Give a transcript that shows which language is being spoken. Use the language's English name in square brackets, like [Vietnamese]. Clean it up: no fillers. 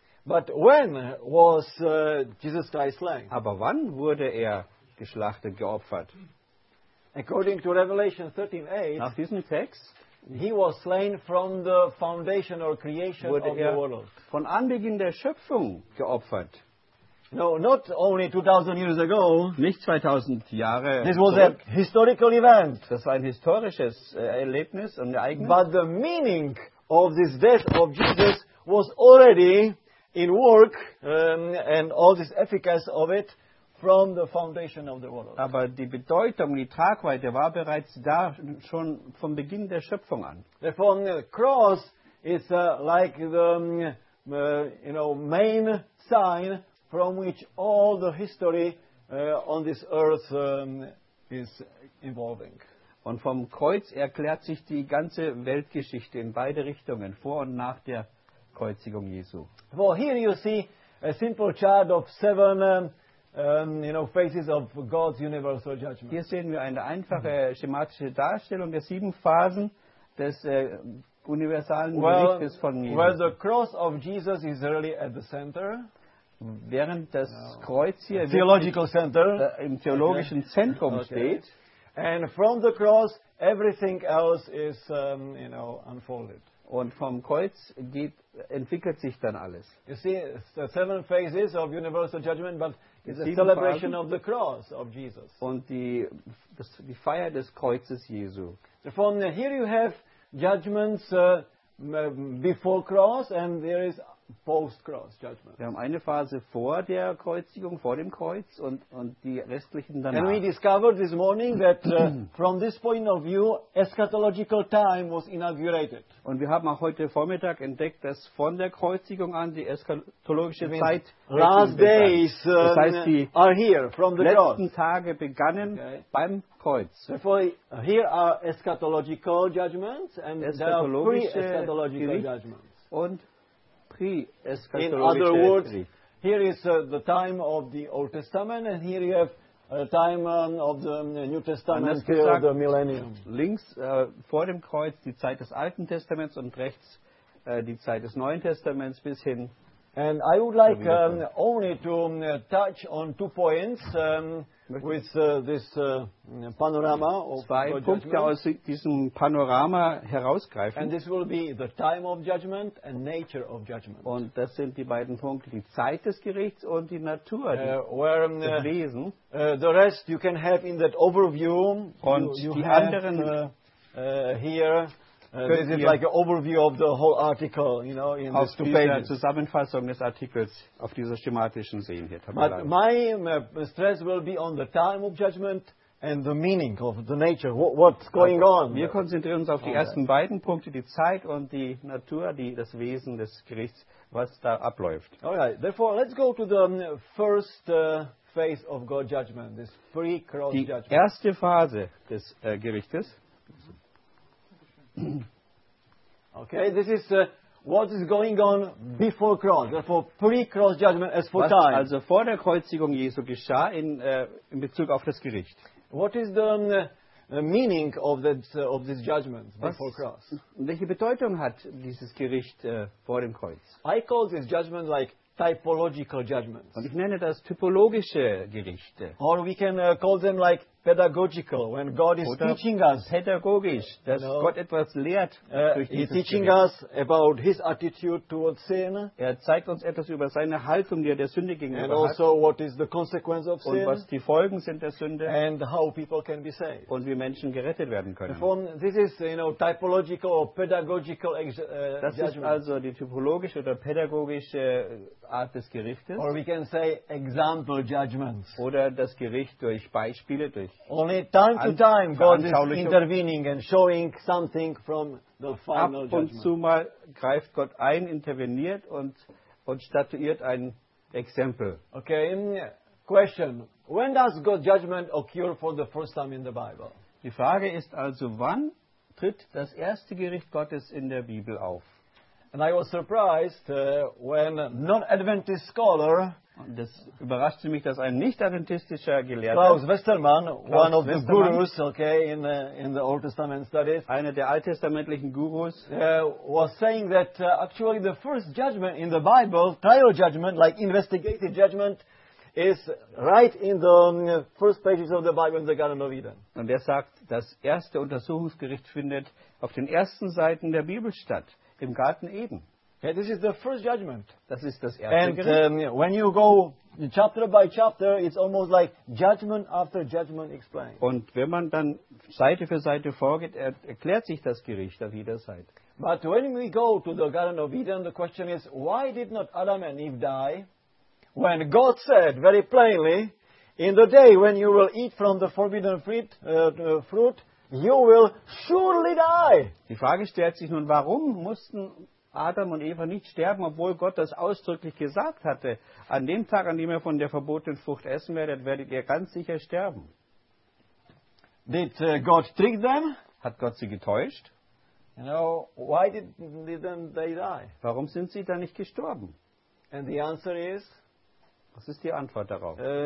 [English] But when was Jesus Christ slain? [German] Aber wann wurde er geschlachtet, geopfert? [English] According to Revelation 13:8, [German] nach diesem Text, [English] he was slain from the foundation or creation [German] wurde [English] of the world. [German] Von Anbeginn der Schöpfung geopfert. [English] No, not only 2000 years ago. [German] Nicht 2000 Jahre. [English] This was [German] zurück. [English] A historical event. [German] Das war ein historisches Erlebnis und Ereignis. [English] But the meaning of this death of Jesus was already in work and all this efficacy of it from the foundation of the world. [German] Aber die Bedeutung, die Tragweite war bereits da schon vom Beginn der Schöpfung an. [English] The cross is like the main sign from which all the history on this earth is evolving. [German] Und vom Kreuz erklärt sich die ganze Weltgeschichte in beide Richtungen, vor und nach der Kreuzigung Jesu. [English] Well, here you see a simple chart of seven phases of God's universal judgment. [German] Hier sehen wir eine einfache schematische Darstellung der sieben Phasen des universalen Gerichtes von Jesus. [English] Well, the cross of Jesus is really at the center. [German] Während das Kreuz hier [English] theological center, [German] im theologischen Zentrum steht, [English] and from the cross everything else is unfolded. [German] Und vom Kreuz entwickelt sich dann alles. [English] You see, it's the seven phases of universal judgment, but it's a celebration of the cross of Jesus. [German] Und die Feier des Kreuzes Jesu. [English] So from here you have judgments before cross, and there is post-cross judgment. [German] Wir haben eine Phase vor der Kreuzigung, vor dem Kreuz und die restlichen danach. [English] And we discovered this morning that from this point of view, eschatological time was inaugurated. [German] Und wir haben auch heute Vormittag entdeckt, dass von der Kreuzigung an die eschatologische Zeit [English] last days [German] das heißt, die [English] are here from the [German] letzten [English] cross. [German] Tage begannen okay. Beim Kreuz. [English] Therefore, here are eschatological judgments and pre-eschatological judgments. [German] Und [English] in other words, here is the time of the Old Testament and here you have a time of the New Testament till the millennium. [German] Links vor dem Kreuz die Zeit des Alten Testaments und rechts die Zeit des Neuen Testaments bis hin. [English] And I would like only to touch on two points with this panorama of [German] zwei Punkte aus diesem Panorama herausgreifen. [English] And this will be the time of judgment and nature of judgment. [German] Und das sind die beiden Punkte, die Zeit des Gerichts und die Natur, das Wesen. [English] The rest you can have in that overview. [German] Und [English] you [German] die [English] have [German] anderen [English] here. This is like an overview of the whole article, in this two pages. [German] Zusammenfassung des Artikels auf dieser schematischen sehen hier. [English] But my stress will be on the time of judgment and the meaning of the nature, what's going on. [German] Wir konzentrieren uns auf die ersten beiden Punkte, die Zeit und die Natur, das Wesen des Gerichts, was da abläuft. [English] All right, therefore, let's go to the first phase of God's judgment, this pre-cross judgment. [German] Die erste Phase des Gerichtes. [English] Okay, this is what is going on before cross, therefore pre-cross judgment as for [German] was [English] time. [German] Was also vor der Kreuzigung Jesu geschah in Bezug auf das Gericht. [English] What is the meaning of this judgment before cross? [German] Welche Bedeutung hat dieses Gericht vor dem Kreuz? [English] I call this judgment like typological judgments. [German] Und ich nenne das typologische Gerichte. [English] Or we can call them like pedagogical, when God is [German] oder [English] teaching us. [German] Pädagogisch, dass Gott etwas lehrt durch dieses Gericht. [English] Teaching us about his attitude towards sin. [German] Er zeigt uns etwas über seine Haltung, die der Sünde gegenüber [English] and [German] hat. [English] Also what is the consequence of [German] und [English] sin, [German] was die Folgen sind der Sünde. [English] And how people can be saved. [German] Und wie Menschen gerettet werden können. [English] Therefore, this is typological or pedagogical [German] das [English] judgment. [German] Ist also die typologische oder pädagogische Art des Gerichtes. [English] Or we can say example judgments. [German] Oder das Gericht durch Beispiele, durch [English] only time to time God is intervening and showing something from the final [German] ab [English] judgment. [German] Und zu mal greift Gott ein, interveniert und statuiert ein Exempel. [English] Okay, question. When does God's judgment occur for the first time in the Bible? [German] Die Frage ist also, wann tritt das erste Gericht Gottes in der Bibel auf? [English] And I was surprised when non-Adventist scholar, [German] das überraschte mich, dass ein nicht-adventistischer Gelehrter, [English] Klaus Westermann, one of the gurus, okay, in the Old Testament studies, [German] einer der alttestamentlichen Gurus, [English] was saying that actually the first judgment in the Bible, trial judgment, like investigative judgment, is right in the first pages of the Bible in the Garden of Eden. [German] Und er sagt, das erste Untersuchungsgericht findet auf den ersten Seiten der Bibel statt. Im Garten Eden. [English] Okay, this is the first judgment. [German] Das ist das erste Gericht. [English] And when you go chapter by chapter, it's almost like judgment after judgment explained. [German] Und wenn man dann Seite für Seite vorgeht, erklärt sich das Gericht auf jeder Seite. [English] But when we go to the Garden of Eden, the question is, why did not Adam and Eve die when God said very plainly, in the day when you will eat from the forbidden fruit, you will surely die. [German] Die Frage stellt sich nun, warum mussten Adam und Eva nicht sterben, obwohl Gott das ausdrücklich gesagt hatte, an dem Tag, an dem ihr von der verbotenen Frucht essen werdet, werdet ihr ganz sicher sterben. [English] Did God trick them? [German] Hat Gott sie getäuscht? [English] You know, why didn't they die? [German] Warum sind sie dann nicht gestorben? [English] And the answer is, [German] was ist die Antwort darauf?